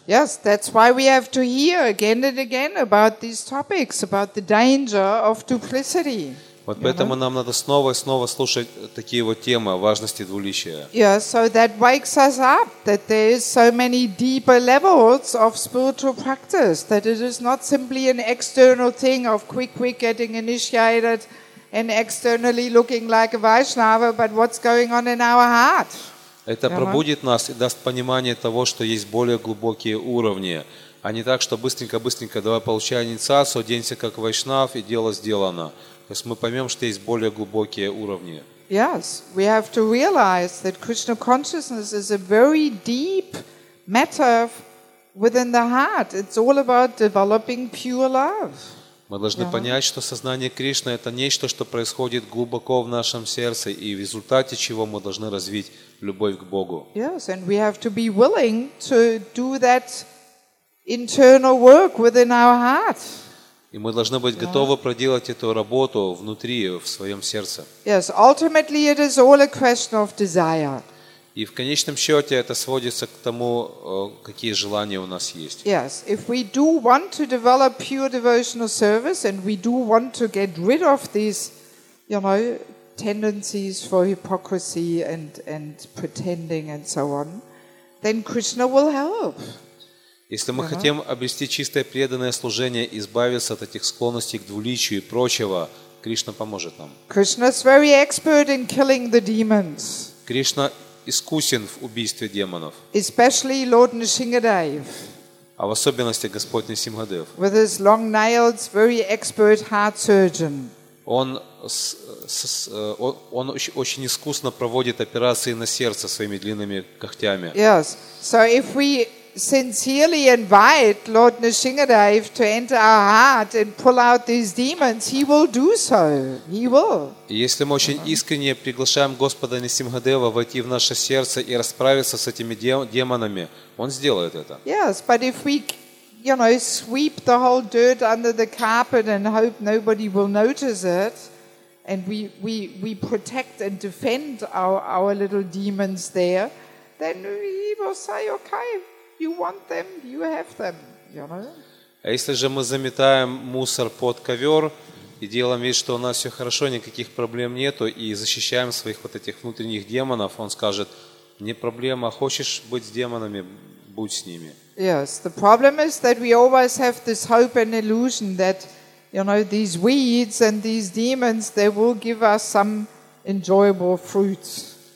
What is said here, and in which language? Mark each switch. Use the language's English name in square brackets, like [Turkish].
[English] Yes, that's why we have to hear again and again about these topics, about the danger of duplicity. [Russian] Вот поэтому нам надо снова и снова слушать такие вот темы важности двуличия. [English] Yeah, so that wakes us up, that there is so many deeper levels of spiritual practice, that it is not simply an external thing of quick getting initiated, and externally looking like a Vaishnava, but what's going on in our heart? [Russian] Это пробудит нас и даст понимание того, что есть более глубокие уровни, а не так, что быстренько давай получай инициацию, оденься как Вайшнав и дело сделано. То есть мы поймем, что есть более глубокие уровни. [English] Yes, we have to realize that Krishna consciousness is a very deep matter within the heart. It's all about developing pure love. [Russian] Мы должны понять, что сознание Кришны – это нечто, что происходит глубоко в нашем сердце, и в результате чего мы должны развить любовь к Богу. [English] Yes, and we have to be willing to do that internal work within our heart. [Russian] И мы должны быть готовы проделать эту работу внутри, в своем сердце. [English] Yes, ultimately it is all a question of desire. [Russian] И в конечном счете это сводится к тому, какие желания у нас есть. [English] Yes, if we do want to develop pure devotional service and we do want to get rid of these, you know, tendencies for hypocrisy and pretending and so on, then Krishna will help. [Russian] Если мы хотим обрести чистое преданное служение, избавиться от этих склонностей к двуличию и прочего, Кришна поможет нам. [English] Krishna is very expert in killing the demons. [Russian] Кришна искусен в убийстве демонов. [English] Especially Lord Nrisingadev. [Russian] А в особенности Господь Нисимхадев. [English] With his long nails, very expert heart surgeon. [Russian] Он очень искусно проводит операции на сердце своими длинными когтями. [English] Yes. So if we sincerely invite Lord Nisimhadev to enter our heart and pull out these demons, he will do so. He will. [Russian] Если мы очень искренне приглашаем Господа Нисимхадева войти в наше сердце и расправиться с этими демонами, он сделает это. [English] Yes, but if we, you know, sweep the whole dirt under the carpet and hope nobody will notice it, and we protect and defend our little demons there, then he will say, okay, you want them, you have them, you know. [Russian] А если же мы заметаем мусор под ковер и делаем вид, что у нас все хорошо, никаких проблем нету, и защищаем своих вот этих внутренних демонов, он скажет, не проблема, хочешь быть с демонами, будь с ними. [English] Yes, the problem is that we always have this hope and illusion that, you know, these weeds and these demons, they will give us some enjoyable fruits.